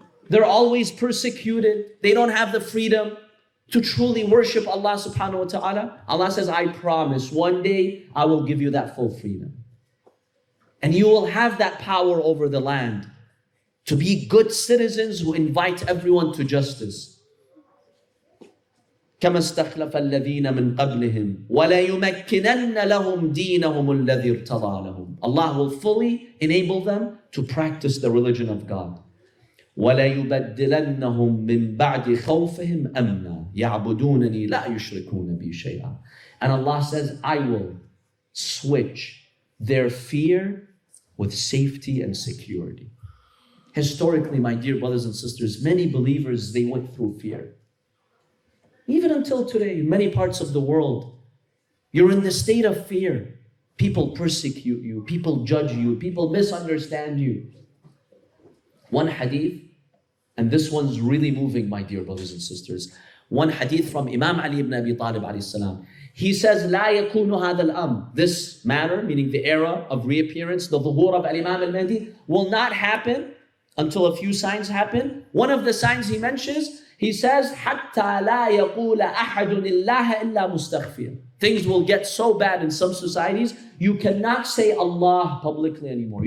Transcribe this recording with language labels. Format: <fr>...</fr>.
<en>They're always persecuted. They don't have the freedom to truly worship Allah subhanahu wa ta'ala. Allah says, I promise one day I will give you that full freedom. And you will have that power over the land to be good citizens who invite everyone to justice.</en> <ar>كما استخلف الذين من قبلهم ولا يمكنن لهم دينهم الذي ارتضى لهم.</ar> <en>Allah will fully enable them to practice the religion of God.</en> <ar>ولا يبدلنهم من بعد خوفهم أمنا يعبدونني لا يشركون بي شيئا.</ar> <en>And Allah says, I will switch their fear with safety and security. Historically, my dear brothers and sisters, many believers, they went through fear. Even until today, in many parts of the world, you're in the state of fear. People persecute you, people judge you, people misunderstand you. One hadith, and this one's really moving, my dear brothers and sisters. One hadith from Imam Ali ibn Abi Talib alayhi salam. He says,</en> <ar>لا يكون هذا الأمر.</ar> <en>This matter, meaning the era of reappearance, the dhuhur of Imam al-Mahdi, will not happen until a few signs happen. One of the signs he mentions, he says,</en> <ar>حَتَّى لَا يَقُولَ أَحَدٌ إِلَّهَ إِلَّا مُسْتَخْفِيًا.</ar> <en>Things will get so bad in some societies, you cannot say Allah publicly anymore.</en>